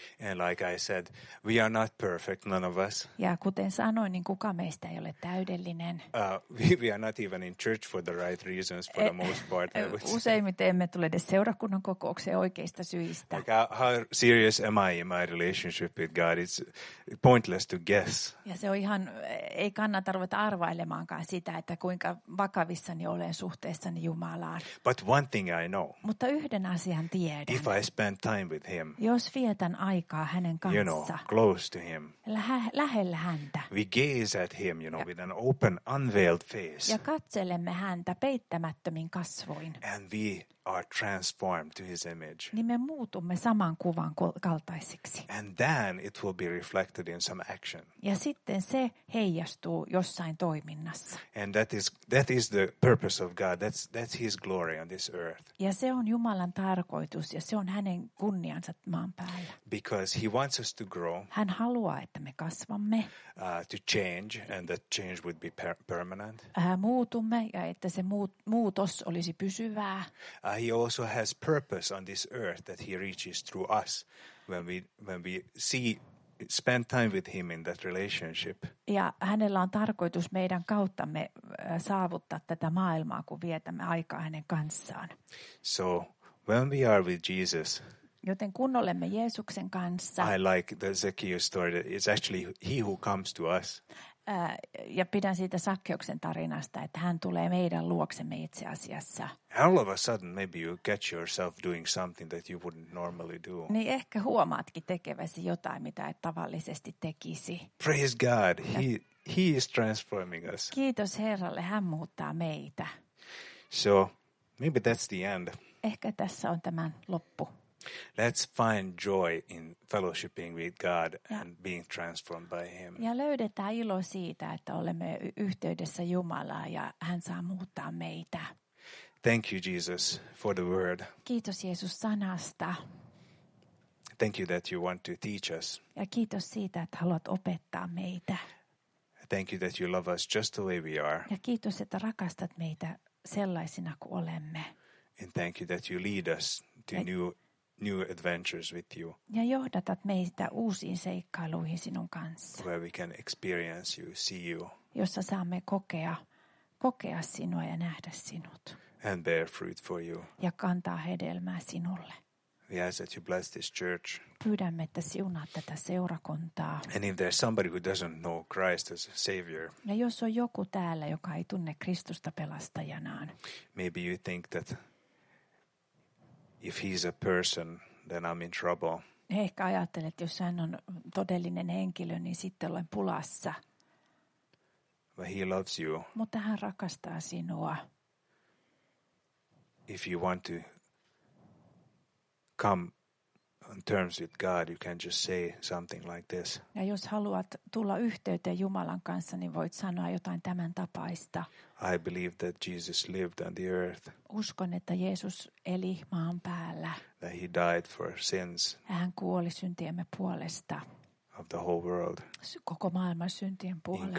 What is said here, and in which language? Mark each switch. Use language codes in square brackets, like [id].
[en] And like I said, we are not perfect, none of us. [fi] Ja kuten sanoin, niin kuka meistä ei ole täydellinen. [en] We are not even in church for the right reasons for the most part. [fi] Useimmiten emme tule edes seurakunnan kokoukseen oikeista syistä. [en] Like how serious am I in my relationship with God? It's pointless to guess. [fi] Ja se on ihan, ei kannata ruveta arvailemaankaan sitä, että kuinka vakavissani olen. Olen suhteessani Jumalaan. [en] But one thing I know. [fi] Mutta yhden asian tiedän. [en] If I spend time with him. [fi] Jos vietän aikaa hänen kanssaan. [en] You know, close to him. [fi] Lähellä häntä. [en] We gaze at him, you know, with an open, unveiled face. [fi] Ja katselemme häntä peittämättömin kasvoin. [en] And we are transformed to his image. [fi] Niin me muutumme saman kuvan kaltaisiksi. [en] And then it will be reflected in some action. [fi] Ja sitten se heijastuu jossain toiminnassa. [en] And that is the purpose of God. That's his glory on this earth. [fi] Ja se on Jumalan tarkoitus ja se on hänen kunniansa maan päällä. [en] Because he wants us to grow. [fi] Hän haluaa, että me kasvamme. [en] To change, and that change would be permanent. [fi] Muutumme ja että se muutos olisi pysyvää. [en] He also has purpose on this earth that he reaches through us when we see spend time with him in that relationship. [fi] Ja hänellä on tarkoitus meidän kauttamme saavuttaa tätä maailmaa, kun vietämme aikaa hänen kanssaan. [en] So when we are with Jesus. [fi] Joten kun olemme Jeesuksen kanssa. [en] I like the Zacchaeus story. It's actually he who comes to us. [fi] Ja pidän siitä Sakkeuksen tarinasta, että hän tulee meidän luoksemme itse asiassa. [en] All of a sudden maybe you catch yourself doing something that you wouldn't normally do. [fi] Niin ehkä huomaatkin tekeväsi jotain, mitä et tavallisesti tekisi. [en] Praise God, he is transforming us. [fi] Kiitos Herralle, hän muuttaa meitä. [en] So maybe that's the end. [fi] Ehkä tässä on tämän loppu. [en] Let's find joy in fellowshipping with God and being transformed by him. [fi] Ja löydetään ilo siitä, että olemme yhteydessä Jumalaan ja hän saa muuttaa meitä. [en] Thank you, Jesus, for the word. [fi] Kiitos Jeesus sanasta. [en] Thank you that you want to teach us. [fi] Ja kiitos siitä, että haluat opettaa meitä. [en] Thank you that you love us just the way we are. [fi] Ja kiitos, että rakastat meitä sellaisina kuin olemme. [en] And thank you that you lead us to new adventures with you. [fi] Ja johdatat meitä uusiin seikkailuihin sinun kanssa. [en] Where we can experience you, see you. [fi] Jossa saamme kokea sinua ja nähdä sinut. [en] And bear fruit for you. [fi] Ja kantaa hedelmää sinulle. [en] We ask that you bless this church. [fi] Pyydämme, että siunaat tätä seurakuntaa. [en] And if there's somebody who doesn't know Christ as a savior. [fi] Ja jos on joku täällä, joka ei tunne Kristusta pelastajanaan. [en] Maybe you think that if he's a person, then I'm in trouble. [fi] Ehkä ajattelet, että jos hän on todellinen henkilö, niin sitten olen pulassa. [en] But he loves you. [fi] Mutta hän rakastaa sinua. [en] If you want to come on terms with God, you can just say something like this. [fi] Ja jos haluat tulla yhteyteen Jumalan kanssa, niin voit sanoa jotain tämän tapaista. [en] I believe that Jesus lived on the earth. [fi] Uskon, että Jeesus eli maan päällä. [en] That he died for sins. [fi] Hän kuoli syntiemme puolesta. [en] Of the whole world. [fi] Koko maailman syntien puolesta.